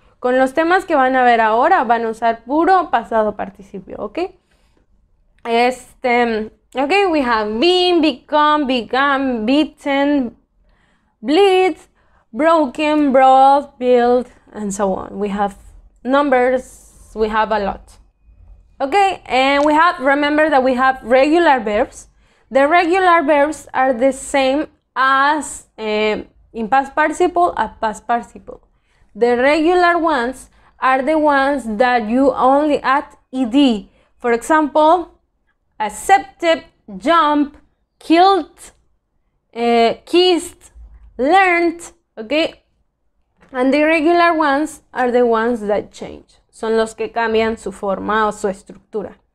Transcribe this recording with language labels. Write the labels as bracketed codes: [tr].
[es] Con los temas que van a ver ahora, van a usar puro pasado participio, ¿ok? [en] Ok, we have been, become, began, beaten, bleed, broken, brought, built, and so on. We have numbers, we have a lot. Ok, and we have, remember that we have regular verbs. The regular verbs are the same as in past participle, a past participle. The regular ones are the ones that you only add ed. For example, accepted, jump, killed, kissed, learned, okay? And the regular ones are the ones that change. [es] Son los que cambian su forma o su estructura.